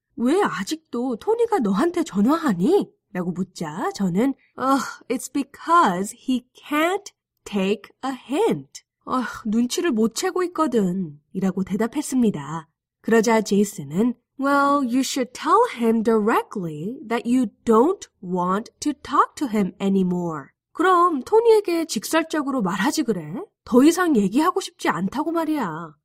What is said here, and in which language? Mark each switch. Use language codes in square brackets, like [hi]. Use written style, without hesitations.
[ko] 왜 아직도 토니가 너한테 전화하니? 라고 묻자 저는 [en] It's because he can't take a hint. [ko] 눈치를 못 채고 있거든. 이라고 대답했습니다. 그러자 제이슨은 [en] Well, you should tell him directly that you don't want to talk to him anymore. [ko] 그럼 토니에게 직설적으로 말하지 그래? 더 이상 얘기하고 싶지 않다고 말이야.